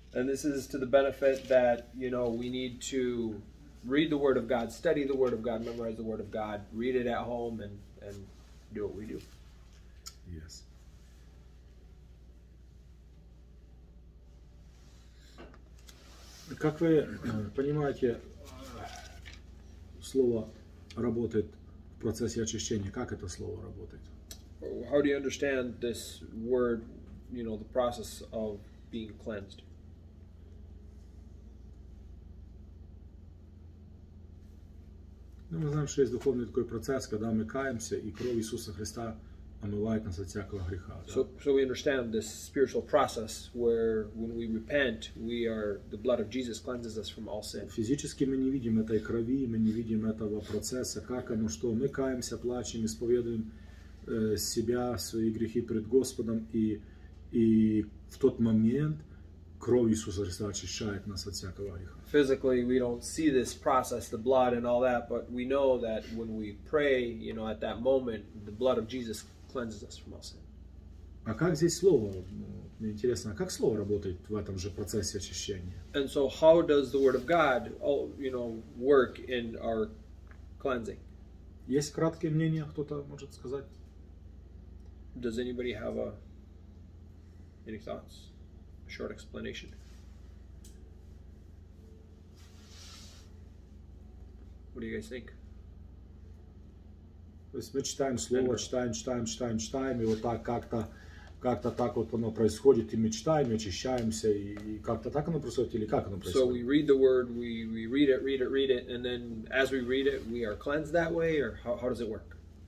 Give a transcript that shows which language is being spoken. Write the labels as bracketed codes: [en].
[en] And this is to the benefit that, you know, we need to read the word of God, study the word of God, memorize the word of God, read it at home and do what we do. Yes. [ru] Как вы понимаете, слово работает в процессе очищения? Как это слово работает? [en] How do you understand this word, you know, the process of being cleansed? [ru] Ну, мы знаем, что есть духовный такой процесс, когда мы каемся, и кровь Иисуса Христа омывает нас от всякого греха. Да? [en] So we understand this spiritual process where when we repent, we are the blood of Jesus cleanses us from all sin. [ru] Физически мы не видим этой крови, мы не видим этого процесса, как оно, что. Мы каемся, плачем, исповедуем себя, свои грехи перед Господом, и в тот момент кровь Иисуса Христа очищает нас от всякого греха. [en] Physically, we don't see this process, the blood and all that, but we know that when we pray, you know, at that moment, the blood of Jesus cleanses us from all sin. [ru] А как здесь слово? Мне интересно, как слово работает в этом же процессе очищения? [en] And so, how does the word of God, you know, work in our cleansing? [ru] Есть краткое мнение, кто-то может сказать? [en] Does anybody have any thoughts? A short explanation? What do you guys think? [ru] То есть мы читаем слово, читаем, и вот так как-то так вот оно происходит, и мы читаем, и очищаемся, и как-то так оно происходит, или как оно происходит? [en] So we read the word, we read it, and then as we read it, we are cleansed that way, or how does it work?